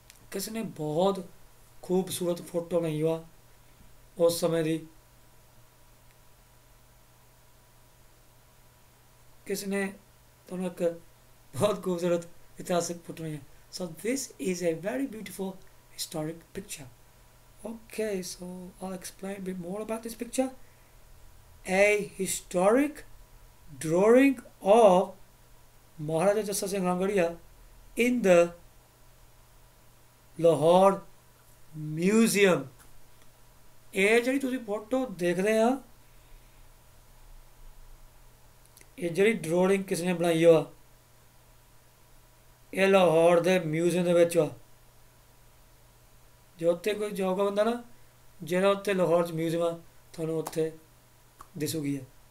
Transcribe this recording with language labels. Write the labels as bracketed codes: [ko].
[pa] ਕਿਸ ਨੇ ਬਹੁਤ ਖੂਬਸੂਰਤ ਫੋਟੋ ਲਈ ਵਾ ਉਸ ਸਮੇਂ ਦੀ, ਕਿਸ ਨੇ ਤੁਹਾਨੂੰ ਇੱਕ ਬਹੁਤ ਖੂਬਸੂਰਤ ਇਤਿਹਾਸਿਕ ਫੋਟੋ ਲਈ ਆ। [en] So this is a very beautiful historic picture. Okay, so I'll explain a bit more about this picture. A historic drawing of Maharaja Jassa Singh Ramgarhia in the Lahore Museum. [pa] ਇਹ ਜਿਹੜੀ ਤੁਸੀਂ ਫੋਟੋ ਦੇਖਦੇ ਆ ਇਹ ਜਿਹੜੀ drawing ਕਿਸ ਨੇ ਬਣਾਈ ਆ ਇਹ ਲਾਹੌਰ ਦੇ ਮਿਊਜ਼ੀਅਮ ਦੇ ਵਿੱਚ ਆ। ਜੇ ਉੱਥੇ ਕੋਈ ਜੋਗ ਬੰਦਾ ਨਾ ਜਿਹੜਾ ਉੱਥੇ ਲਾਹੌਰ 'ਚ ਮਿਊਜ਼ੀਅਮ ਆ ਤੁਹਾਨੂੰ ਉੱਥੇ ਦਿਸੂਗੀ ਹੈ।